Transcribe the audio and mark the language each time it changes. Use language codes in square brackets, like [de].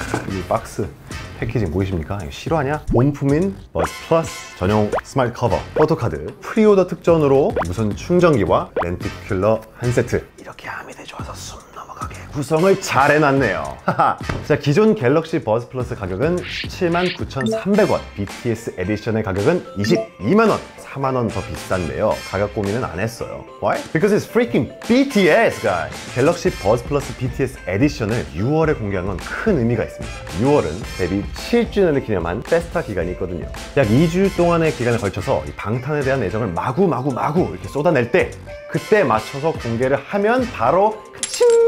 [ko] 이 박스 패키징 보이십니까? 싫어하냐? 원품인 버즈 플러스 전용 스마트 커버, 포토카드, 프리오더 특전으로 무선 충전기와 렌티큘러 한 세트. 이렇게 아미들 좋아서 숨 넘어가게 구성을 잘 해놨네요. 자, 기존 갤럭시 버즈 플러스 가격은 79,300원, BTS 에디션의 가격은 22만원, 4만원 더 비싼데요. 가격 고민은 안 했어요. [en] Why? Because it's freaking BTS, guys! [ko] 갤럭시 버즈 플러스 BTS 에디션을 6월에 공개한 건 큰 의미가 있습니다. 6월은 데뷔 7주년을 기념한 페스타 기간이 있거든요. 약 2주 동안의 기간에 걸쳐서 이 방탄에 대한 애정을 마구 이렇게 쏟아낼 때, 그때 맞춰서 공개를 하면 바로 칭!